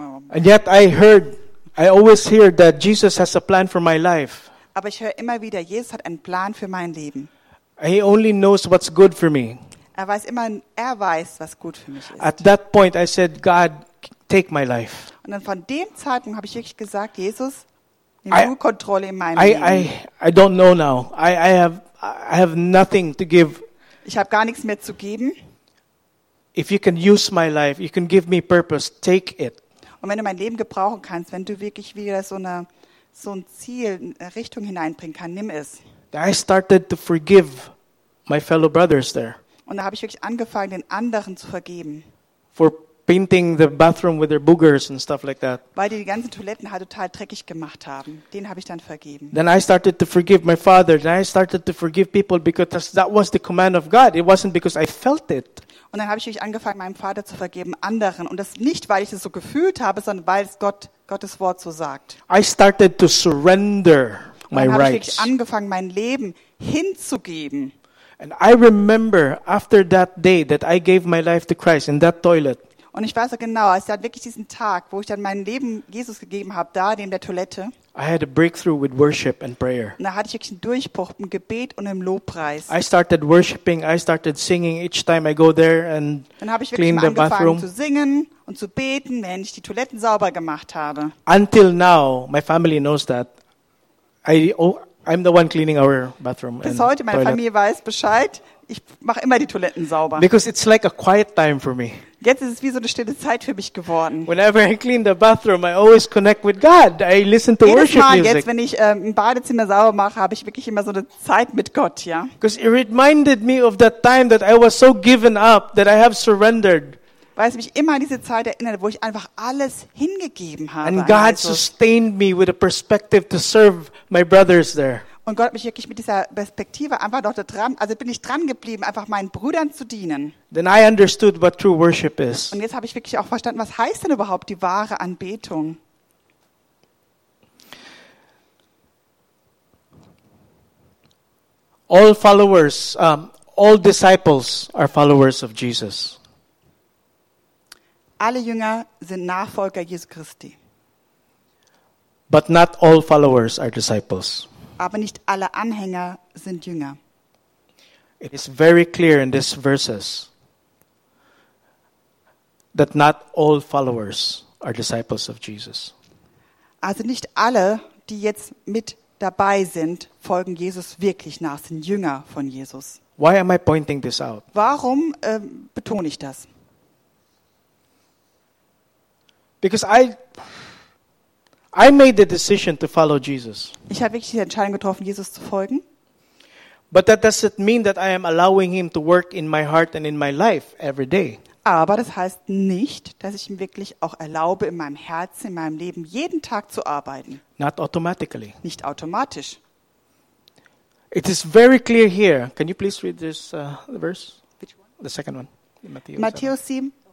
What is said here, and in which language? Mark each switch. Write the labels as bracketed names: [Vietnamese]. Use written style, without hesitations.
[English] And yet I always hear that Jesus has a plan for my life. [German] Aber ich höre immer wieder, Jesus hat einen Plan für mein Leben. [English] He only knows what's good for me. [German] Er weiß, was gut für mich ist. [English] At that point I said, God, take my life. [German] Und dann von dem Zeitpunkt habe ich wirklich gesagt, Jesus, nimm du Kontrolle in meinem Leben. [English] I don't know now. I have nothing to give. [German] Ich habe gar nichts mehr zu geben. [English] If you can use my life, you can give me purpose, take it. [German] Und wenn du mein Leben gebrauchen kannst, wenn du wirklich wieder so ein Ziel, eine Richtung hineinbringen kannst, nimm es. [English] I started to forgive my fellow brothers there. [German] Und da habe ich wirklich angefangen, den anderen zu vergeben. [English] For painting the bathroom with their boogers and stuff like that. [German] Weil die ganzen Toiletten halt total dreckig gemacht haben. Den habe ich dann vergeben. [English] Then I started to forgive my father. Then I started to forgive people because that was the command of God. It wasn't because I felt it. [German] Und dann habe ich angefangen, meinem Vater zu vergeben, anderen. Und das nicht, weil ich es so gefühlt habe, sondern weil es Gottes Wort so sagt. [English] I started to surrender my rights. [German] Und dann habe ich angefangen, mein Leben hinzugeben. [English] And I remember after that day that I gave my life to Christ in that toilet. [German] Und ich weiß auch genau, es war wirklich diesen Tag, wo ich dann mein Leben Jesus gegeben habe, da in der Toilette. [English] I had a breakthrough with worship and prayer. [German] Und da hatte ich wirklich einen Durchbruch im Gebet und im Lobpreis. [English] I started worshiping, I started singing each time I go there and [German] dann habe ich wirklich [English] clean the [German] angefangen [English] bathroom. [German] Zu singen und zu beten, wenn ich die Toiletten sauber gemacht habe. [English] Until now, my family knows that. I'm the one cleaning our bathroom. [German] Bis heute, meine Familie weiß Bescheid. Ich mache immer die Toiletten sauber. [English] Because it's like a quiet time for me. [German] Jetzt ist es wie so eine stille Zeit für mich geworden. [English] Whenever I clean the bathroom, I always connect with God. I listen to worship music. [German] Jedes Mal, jetzt, wenn ich ein Badezimmer sauber mache, habe ich wirklich immer so eine Zeit mit Gott, ja. [English] Because it reminded me of that time that I was so given up, that I have surrendered. [German] Weil es mich immer an diese Zeit erinnert, wo ich einfach alles hingegeben habe. [English] And God sustained me with a perspective to serve my brothers there. [German] Und Gott hat mich wirklich mit dieser Perspektive einfach noch da dran, also bin ich dran geblieben, einfach meinen Brüdern zu dienen. [English] Then I understood what true worship is. [German] Und jetzt habe ich wirklich auch verstanden, was heißt denn überhaupt die wahre Anbetung? [English] All followers, all disciples are followers of Jesus. [German] Alle Jünger sind Nachfolger Jesu Christi. [English] But not all followers are disciples. [German] Aber nicht alle Anhänger sind Jünger. [English] It is very clear in these verses that not all followers are disciples of Jesus. [German] Also nicht alle, die jetzt mit dabei sind, folgen Jesus wirklich nach, sind Jünger von Jesus. [English] Why am I pointing this out? [German] Warum betone ich das? [English] Because I made the decision to follow Jesus. [German] Ich habe wirklich die Entscheidung getroffen, Jesus zu folgen. [English] But that doesn't mean that I am allowing him to work in my heart and in my life every day. [German] Aber das heißt nicht, dass ich ihm wirklich auch erlaube, in meinem Herzen, in meinem Leben jeden Tag zu arbeiten. [English] Not automatically. [German] Nicht automatisch. [English] It is very clear here. Can you please read this verse? Which one? The second one. [German] Matthäus 7.